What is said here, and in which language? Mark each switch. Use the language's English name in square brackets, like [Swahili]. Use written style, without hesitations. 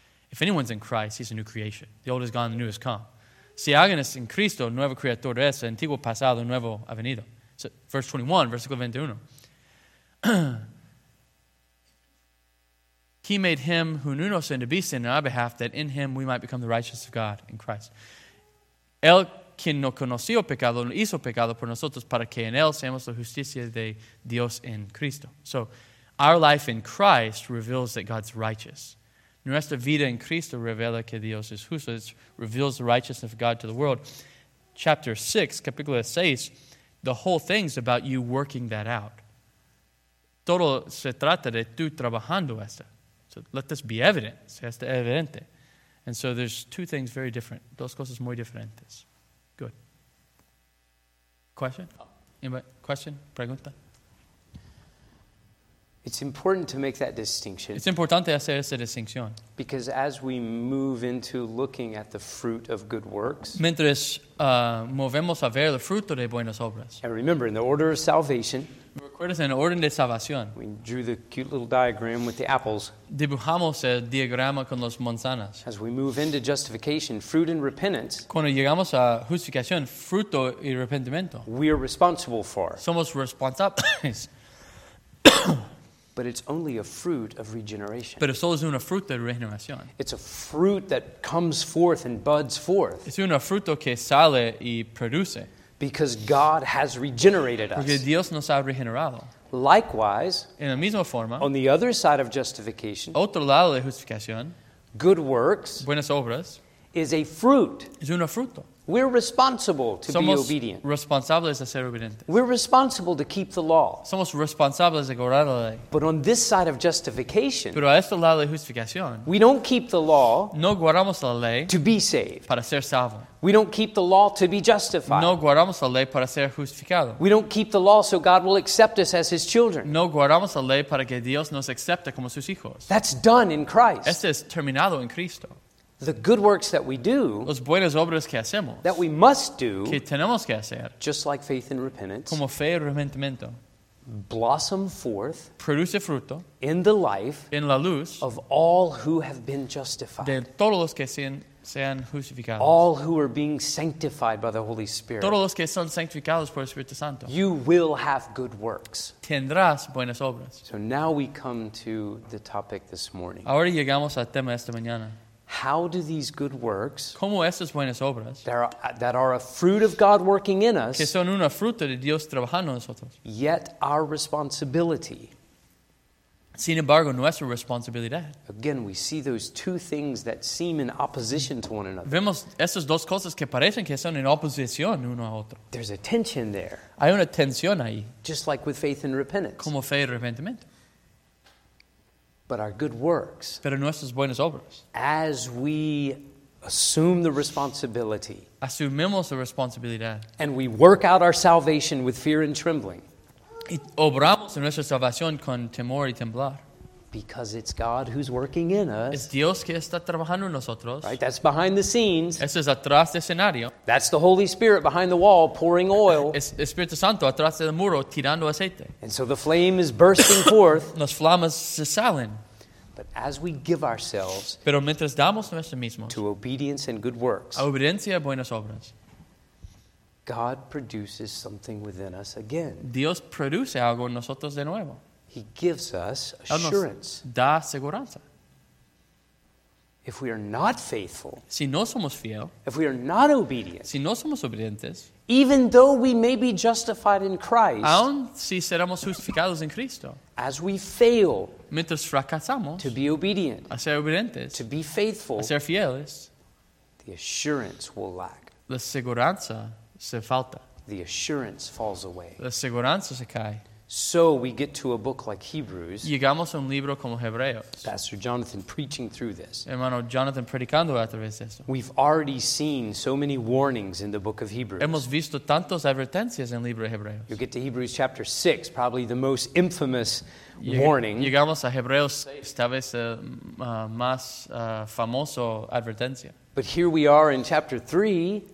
[English] If anyone's in Christ, he's a new creation. The old is gone, the new has come. [Spanish] Si alguien es en Cristo, nuevo creador es, antiguo pasado, nuevo ha venido. [English] So, verse 21, [Spanish] versículo 21. [English] He made him who knew no sin to be sin on our behalf, that in him we might become the righteous of God in Christ. [Spanish] El quien no conoció pecado, no hizo pecado por nosotros, para que en él seamos la justicia de Dios en Cristo. [English] So, our life in Christ reveals that God's righteous. [Spanish] Nuestra vida en Cristo revela que Dios es justo. [English] It reveals the righteousness of God to the world. Chapter 6, [Spanish] capítulo 6, [English] the whole thing's about you working that out. [Spanish] Todo se trata de tú trabajando esto. [English] So, let this be evident. [Spanish] Se hace evidente. [English] And so, there's two things very different. [Spanish] Dos cosas muy diferentes. [English] Good. Question? Anybody? Question? Pregunta? It's important to make that distinction. [Spanish] Es importante hacer esa distinción. [English] Because as we move into looking at the fruit of good works. [Spanish] Mientras movemos a ver el fruto de buenas obras. [English] And remember, in the order of salvation. [Spanish] Recuerdas en orden de salvación. [English] We drew the cute little diagram with the apples. [Spanish] Dibujamos el diagrama con las manzanas. [English] As we move into justification, fruit and repentance. [Spanish] Cuando llegamos a justificación, fruto y arrepentimiento. [English] We are responsible for. [Spanish] Somos responsables. [English] But it's only a fruit of regeneration. [Spanish] Pero solo es una fruta de regeneración. [English] It's a fruit that comes forth and buds forth. [Spanish] Es una fruto que sale y produce. [English] Because God has regenerated us. [Spanish] Porque Dios nos ha regenerado. [English] Likewise, [Spanish] en la misma forma, [English] on the other side of justification, [Spanish] otro lado de justificación, [English] good works, [Spanish] buenas obras, [English] is a fruit. [Spanish] Es una fruto. [English] We're responsible to [Spanish] Somos [English] be obedient. [Spanish] Responsables a ser obedientes. [English] We're responsible to keep the law. [Spanish] Somos responsables de guardar la ley. [English] But on this side of justification, [Spanish] pero a este lado de justificación, [English] we don't keep the law [Spanish] no guardamos la ley [English] to be saved. [Spanish] Para ser salvo. [English] We don't keep the law to be justified. [Spanish] No guardamos la ley para ser justificado. [English] We don't keep the law so God will accept us as his children. [Spanish] No guardamos la ley para que Dios nos acepte como sus hijos. [English] That's done in Christ. [Spanish] Esto es terminado en Cristo. [English] The good works that we do, [Spanish] los buenas obras que hacemos, [English] that we must do, [Spanish] que tenemos que hacer, [English] just like faith and repentance, [Spanish] como fe y arrepentimiento, [English] blossom forth, [Spanish] produce fruto, [English] in the life, [Spanish] en la luz, [English] of all who have been justified, [Spanish] de todos los que sean justificados, [English] all who are being sanctified by the Holy Spirit, [Spanish] todos los que son sanctificados por el Espíritu Santo, [English] you will have good works, [Spanish] tendrás buenas obras. [English] So now we come to the topic this morning. [Spanish] Ahora llegamos al tema esta mañana. [English] How do these good works, [Spanish] como esas buenas obras, [English] that are a fruit of God working in us, [Spanish] que son una fruta de Dios trabajando en nosotros, [English] yet our responsibility, [Spanish] sin embargo, nuestra responsabilidad. [English] Again, we see those two things that seem in opposition to one another. [Spanish] Vemos esas dos cosas que parecen que son en oposición uno a otro. [English] There's a tension there. [Spanish] Hay una tensión ahí. [English] Just like with faith and repentance. [Spanish] Como fe y arrepentimiento. [English] But our good works, [Spanish] pero nuestras buenas obras, [English] as we assume the responsibility, [Spanish] asumimos la responsabilidad, [English] and we work out our salvation with fear and trembling, [Spanish] y obramos en nuestra salvación con temor y temblar, [English] because it's God who's working in us, [Spanish] es Dios que está trabajando en nosotros, [English] right? That's behind the scenes, [Spanish] eso es atrás del escenario, [English] that's the Holy Spirit behind the wall pouring oil, [Spanish] es Espíritu Santo atrás del muro tirando aceite, [English] and so the flame is bursting forth, [Spanish] las flamas se salen. [English] But as we give ourselves, [Spanish] pero mientras damos nosotros mismos, [English] to obedience and good works, [Spanish] a obediencia y buenas obras, [English] God produces something within us again, [Spanish] Dios produce algo en nosotros de nuevo. [English] He gives us assurance. [Spanish] Él nos da seguridad. [English] If we are not faithful, [Spanish] si no somos fiel, [English] if we are not obedient, [Spanish] si no somos obedientes, [English] even though we may be justified in Christ, [Spanish] aun si seremos justificados en Cristo, [English] as we fail, [Spanish] mientras fracasamos, [English] to be obedient, [Spanish] a ser obedientes, [English] to be faithful, [Spanish] a ser fieles, [English] the assurance will lack. [Spanish] La seguridad se falta. [English] The assurance falls away. [Spanish] La seguridad se cae. [English] So we get to a book like Hebrews. [Spanish] Llegamos a un libro como Hebreos. [English] Pastor Jonathan preaching through this. [Spanish] Hermano Jonathan predicando a través de esto. [English] We've already seen so many warnings in the book of Hebrews. [Spanish] Hemos visto tantas advertencias en el libro de Hebreos. [English] You get to Hebrews chapter 6, probably the most infamous warning. [Spanish] Llegamos a Hebreos 6, tal vez más famoso advertencia. [English] But here we are in chapter 3.